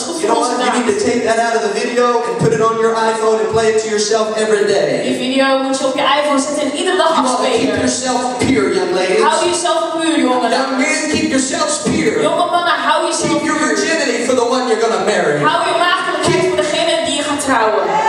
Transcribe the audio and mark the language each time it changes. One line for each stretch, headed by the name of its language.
English: You know what? You need to take that out of the video and put it on your iPhone and play it to yourself every day.
Dutch: Die video moet je op je iPhone zetten en iedere dag afspelen.
English: You keep yourself pure, young ladies.
Dutch: Hou jezelf puur, jongen.
English: Young men, keep yourselves pure.
Dutch: Jonge mannen, hou jezelf pure.
English: Keep your virginity for the one you're gonna marry.
Dutch: Hou je maagdelijkheid voor degene die je gaat trouwen.